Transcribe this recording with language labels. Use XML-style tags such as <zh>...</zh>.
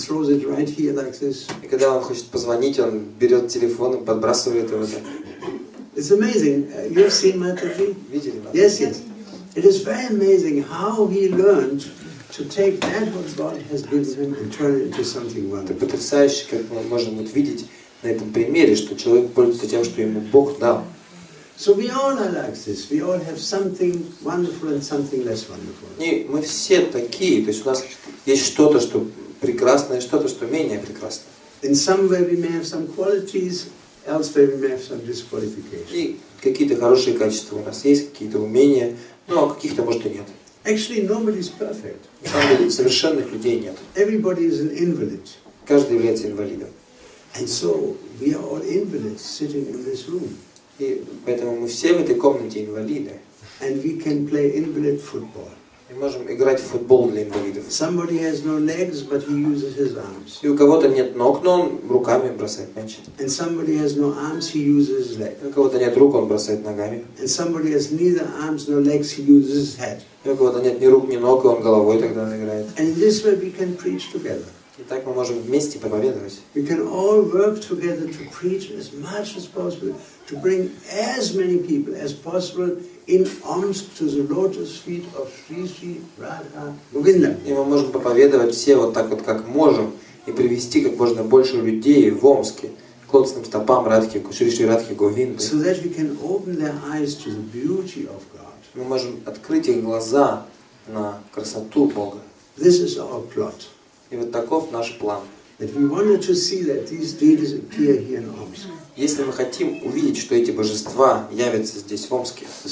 <ru>И когда он хочет позвонить, он берет телефон и подбрасывает его.</ru> <en>It's amazing. You've seen my TV?</en> <ru>Видели?</ru> <en>Yes, yes. It is very amazing how he learned to take that what God has given him and turn it into something wonderful.</en> <ru>Это потрясающе, как мы можем видеть на этом примере, что человек пользуется тем, что ему Бог дал.</ru> <en>So we all are like this. We all have something wonderful and something less wonderful.</en> <ru>И мы все такие, то есть у нас есть что-то, что прекрасное, что-то, что менее прекрасное.</ru> <en>In some way we may have some qualities, elsewhere we may have some disqualifications.</en> <ru>И какие-то хорошие качества у нас есть, какие-то умения, ну а каких-то может и нет.</ru> <en>Actually, nobody is perfect.</en> <ru>На самом деле, совершенных людей нет.</ru> <en>Everybody is an invalid.</en> <ru>Каждый является инвалидом.</ru> <en>And so we are all invalids sitting in this room.</en> <ru>И поэтому мы все в этой комнате инвалиды.</ru> <en>And we can play invalid football.</en> <ru>Мы можем играть в футбол для инвалидов.</ru> <en>Somebody has no legs, but he uses his arms.</en> <ru>И у кого-то нет ног, но он руками бросает мяч.</ru> <en>And somebody has no arms, he uses his legs.</en> <ru>И у кого-то нет рук, он бросает ногами.</ru> <en>And somebody has neither arms nor legs, he uses his head.</en> <ru>И у кого-то нет ни рук, ни ног, и он головой тогда играет.</ru> <en>And in this way we can preach together.</en> <ru>И так мы можем вместе проповедовать.</ru> <en>We can all work together to preach as much as possible, to bring as many people as possible in arms to the lotus feet of Sri Sri Radha Govinda.</en> <ru>И мы можем проповедовать все вот так вот, как можем, и привести как можно больше людей в Омске к лотосным стопам Радхи, к Шри Шри Радхи Говинды.</ru> <en>So that we can open their eyes to the beauty of God.</en> <ru>Мы можем открыть их глаза на красоту Бога.</ru> <en>This is our plot.</en> <ru>И вот таков наш план.</ru> <en>That we wanted to see that these deities appear here in Omsk.</en> <ru>Если мы хотим увидеть, что эти божества явятся здесь в Омске,</ru>